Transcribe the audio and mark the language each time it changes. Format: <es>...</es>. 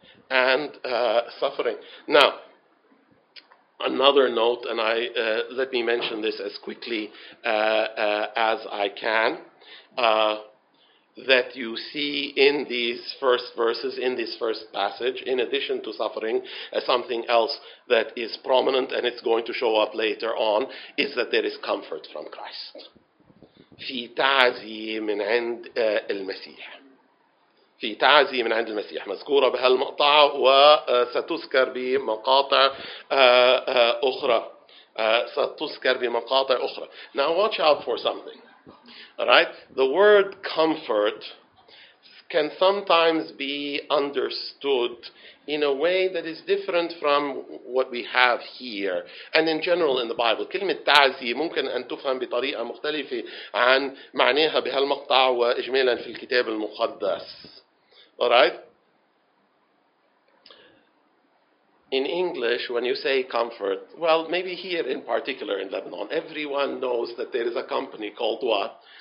<en>Now, another note, and I let me mention this as quickly as I can, that you see in these first verses, in this first passage, in addition to suffering, something else that is prominent and it's going to show up later on, is that there is comfort from Christ.</en> <ar>في تعزي من عند المسيح. في تعزي من عند المسيح مذكورة بهالمقطع وستذكر بمقاطع أخرى. ستذكر بمقاطع أخرى.</ar> <en>Now watch out for something. Right? The word comfort can sometimes be understood in a way that is different from what we have here. And in general in the Bible,</en> <ar>كلمة تعزي ممكن أن تفهم بطريقة مختلفة عن معناها بهالمقطع وإجمالا في الكتاب المقدس.</ar> <en>Alright? In English, when you say comfort, well, maybe here in particular in Lebanon, everyone knows that there is a company called what?</en>